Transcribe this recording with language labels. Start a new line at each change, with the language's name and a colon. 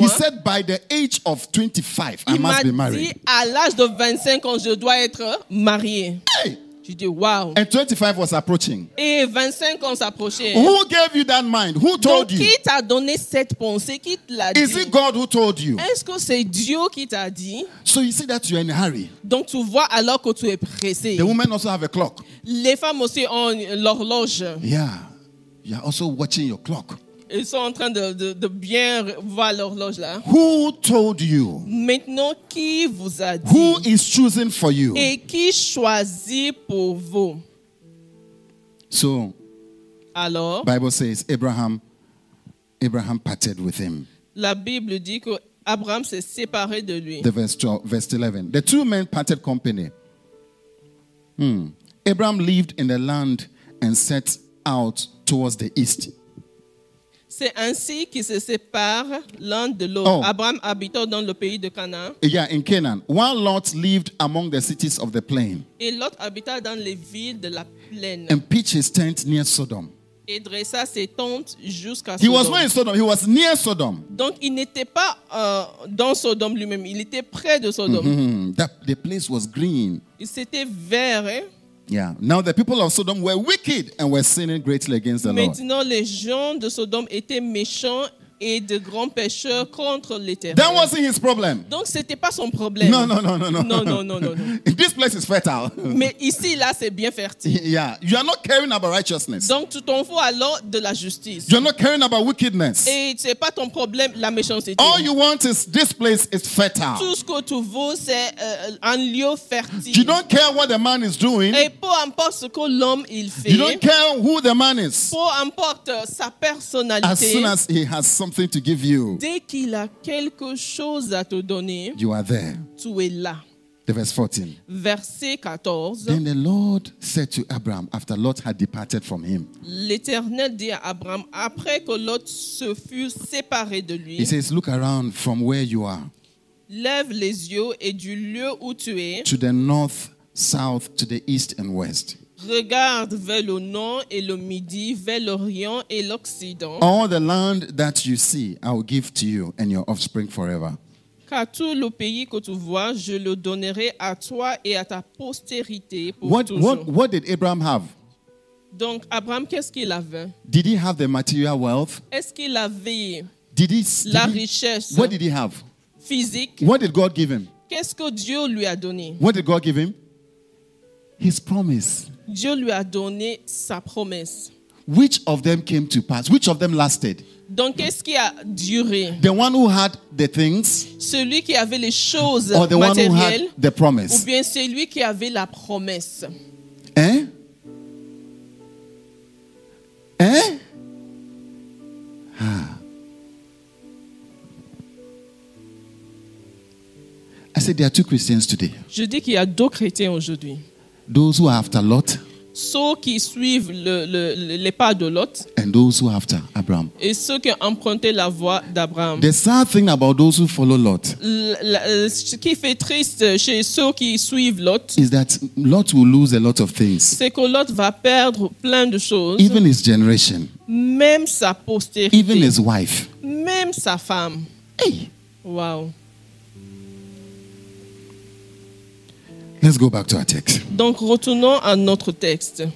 English: He said, by the age of 25, I must be married.
French: Il m'a dit, à l'âge de 25, quand je dois être marié.
English: Hey!
French: Tu dis, wow.
English: And 25 was approaching.
French: Et 25 ans s'approchait.
English: Who gave you that mind? Who told
French: Donc,
English: you?
French: Qui t'a donné cette pensée? Qui te l'a
English: Is
French: dit?
English: Is it God who told you?
French: Est-ce que c'est Dieu qui t'a dit?
English: So you see that you are in a hurry.
French: Donc tu vois alors que tu es pressé.
English: The women also have a clock.
French: Les femmes aussi ont l'horloge.
English: Yeah. You are also watching your clock.
French: Ils sont en train de bien voir l'horloge là.
English: Who told you?
French: Maintenant, qui vous a dit?
English: Who is choosing for you?
French: Et qui choisit pour vous?
English: So,
French: alors,
English: Bible says Abraham parted with him.
French: La Bible dit que Abraham s'est séparé de lui.
English: The verse 11. The two men parted company. Abraham lived in the land and set out towards the east.
French: C'est ainsi qu'ils se séparent l'un de l'autre. Oh. Abraham habitant dans le pays de Canaan.
English: Yeah, in Canaan. While Lot lived among the cities of the plain.
French: Et Lot habita dans les villes de la plaine.
English: And pitched his tent near Sodom.
French: Et dressa ses tentes jusqu'à
English: Sodom. He was not in Sodom, he was near Sodom.
French: Donc il n'était pas dans Sodom lui-même, il était près de Sodom.
English: Mm-hmm. The place was green.
French: Et c'était vert, hein?
English: Yeah. Now the people of Sodom were wicked and were sinning greatly against the
French: Maintenant,
English: Lord.
French: Maintenant les gens de Sodome étaient méchants et de grands pécheurs contre l'Éternel.
English: That wasn't his problem.
French: Donc c'était pas son problème.
English: No, no, no, no, no.
French: Non, non, non, non.
English: This place is fertile.
French: Mais ici là c'est bien fertile.
English: Yeah. You are not caring about righteousness.
French: Donc tu t'en fous alors de la justice.
English: You are not caring about wickedness.
French: Et c'est pas ton problème la méchanceté.
English: All you want is this place is fertile.
French: Tout ce que tu veux c'est un lieu fertile.
English: You don't care what the man is doing.
French: Et peu importe ce que l'homme il fait.
English: You don't care who the man is.
French: Peu importe sa personnalité.
English: As soon as he has something to give you.
French: Dès qu'il a quelque chose à te donner,
English: you are there.
French: Tu es là.
English: The verse 14.
French: Verset 14.
English: Then the Lord said to Abraham after Lot had departed from him.
French: L'Éternel dit à Abraham après que Lot se fut séparé de lui.
English: He says, look around from where you are.
French: Lève les yeux et du lieu où tu es.
English: To the north, south, to the east and west.
French: Regarde vers le nord et le midi, vers l'orient et l'occident.
English: All the land that you see, I will give to you and your offspring forever.
French: car tout le pays que tu vois, je le donnerai à toi et à ta postérité pour toujours.
English: What did Abraham have?
French: Donc, Abraham, qu'est-ce qu'il avait?
English: Did he have the material wealth?
French: Est-ce qu'il avait richesse?
English: What did he have?
French: Physique.
English: What did God give him?
French: Qu'est-ce que Dieu lui a donné?
English: What did God give him? His promise.
French: Dieu lui a donné sa promesse.
English: Which of them came to pass? Which of them lasted?
French: Donc, qu'est-ce qui a duré?
English: The one who had the things.
French: Celui qui avait les choses matérielles.
English: Or the one who had the promise.
French: Ou bien celui qui avait la promesse. Hein? Hein?
English: I said there are two Christians today.
French: Je dis qu'il y a deux chrétiens aujourd'hui.
English: Those who are after Lot.
French: Ceux qui suivent les pas de Lot.
English: And those who are after Abraham.
French: Et ceux qui ont emprunté la voie d'Abraham.
English: The sad thing about those who follow Lot.
French: Ce qui fait triste chez ceux qui suivent Lot.
English: Is that Lot will lose a lot of things.
French: C'est que Lot va perdre plein de choses.
English: Even his generation.
French: Même sa postérité.
English: Even his wife.
French: Même sa femme.
English: Hey. Wow. Let's go back to our text.
French: Donc retournons à notre texte.